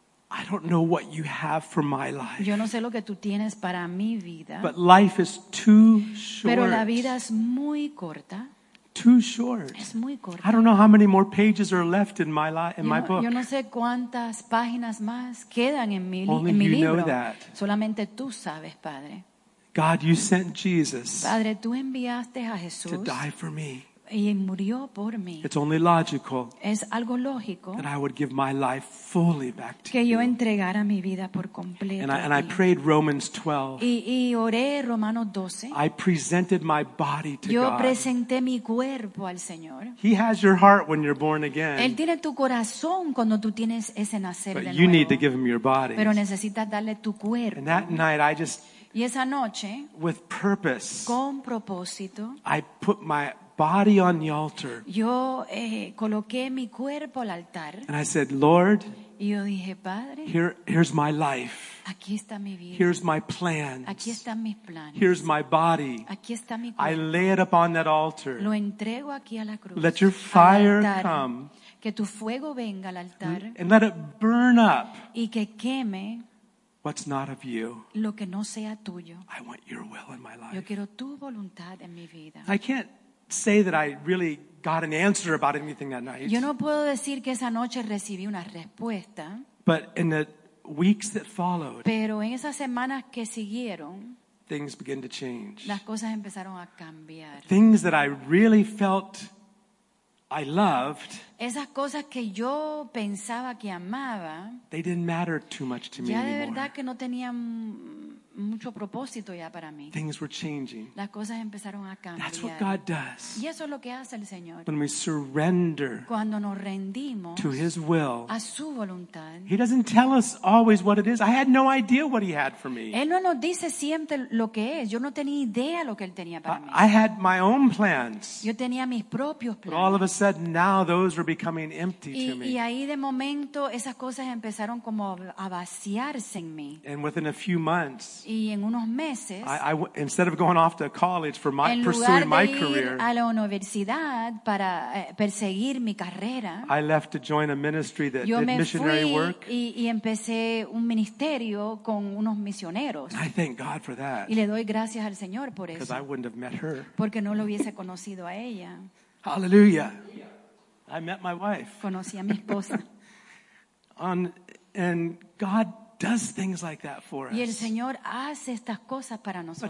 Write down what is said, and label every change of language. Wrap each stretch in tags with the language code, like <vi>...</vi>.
<en>I don't know what you have for my life.</en> <es>Yo no sé lo que tú tienes para mi vida.</es> <en>But life is too short.</en> <es>Pero la vida es muy corta.</es> <en>Too short.</en> <es>Es muy corta.</es> <en>I don't know how many more pages are left in my my book.</en> <es>Yo no sé cuántas páginas más quedan en mi libro.</es> <en>Only you know that.</en> <es>Solamente tú sabes, Padre.</es> <en>God, you sent Jesus.</en> <es>Padre, tú enviaste a Jesús.</es> <en>To die for me.</en> <es>Y murió por mí.</es> <en>It's only logical.</en> <es>Es algo lógico.</es> <en>That I would give my life fully back to</en> <es>que</es> <en>you.</en> <es>Que yo entregara mi vida por completo.</es> <en>And I prayed Romans 12.</en> <es>Y oré Romanos 12.</es> <en>I presented my body to</en> <es>yo</es> <en>God.</en> <es>Yo presenté mi cuerpo al Señor.</es> <en>He has your heart when you're born again.</en> <es>Él tiene tu corazón cuando tú tienes ese nacer</es> <en>But</en> <es>de nuevo.</es> <en>You need to give him your body.</en> <es>Pero necesitas darle tu cuerpo.</es> <en>And that night I just</en> <es>y esa noche,</es> <en>with purpose,</en> <es>con propósito,</es> <en>I put my body on the altar.</en> <es>Yo coloqué mi cuerpo al altar.</es> <en>And I said, Lord,</en> <es>y yo dije, Padre,</es> <en>here's my life.</en> <es>Aquí está mi vida.</es> <en>Here's my plans.</en> <es>Aquí están mis planes.</es> <en>Here's my body.</en> <es>Aquí está mi cuerpo.</es> <en>I lay it up on that altar.</en> <es>Lo entrego aquí a la cruz.</es> <en>Let your fire come.</en> <es>Que tu fuego venga al altar.</es> <en>And let it burn up.</en> <es>Y que queme.</es> <en>What's not of you?</en> <es>Lo que no sea tuyo.</es> <en>I want your will in my life.</en> <es>Yo quiero tu voluntad en mi vida.</es> <en>I can't say that I really got an answer about anything that night.</en> <es>Yo no puedo decir que esa noche recibí una respuesta.</es> <en>But in the weeks that followed,</en> <es>pero en esas semanas que siguieron,</es> <en>things began to change.</en> <es>Las cosas empezaron a cambiar.</es> <en>Things that I really felt I loved.</en> <es>Esas cosas que yo pensaba que amaba.</es> <en>They didn't matter too much to me anymore.</en> <es>Ya de verdad que no tenían mucho propósito ya para mí.</es> <en>Things were changing.</en> <es>Las cosas empezaron a cambiar.</es> <en>That's what God does.</en> <es>Y eso es lo que hace el Señor.</es> <en>When we surrender.</en> <es>Cuando nos rendimos.</es> <en>To His will.</en> <es>A su voluntad.</es> <en>He doesn't tell us always what it is. I had no idea what He had for me.</en> <es>Él no nos dice siempre lo que es. Yo no tenía idea lo que él tenía para mí.</es> <en>I had my own plans.</en> <es>Yo tenía mis propios planes.</es> <en>But all of a sudden, now those were becoming empty to me.</en> <es>Y ahí de momento esas cosas empezaron como a vaciarse en mí.</es> <en>And within a few months.</en> <es>y en unos meses,</es> <en>I instead of going off to college for my pursuing my career,</en> <es>a la universidad para perseguir mi carrera,</es> <en>I left to join a ministry that did missionary work.</en> <es>Y empecé un ministerio con unos misioneros.</es> <en>I thank God for that.</en> <es>Y le doy gracias al Señor por eso.</es> <en>Because I wouldn't have met her.</en> <es>Porque no lo hubiese conocido a ella.</es> <en>Hallelujah. I met my wife.</en> <es>Conocí a mi esposa.</es> <en>And God does things like that for us.</en> <es>Y el Señor hace estas cosas para nosotros.</es>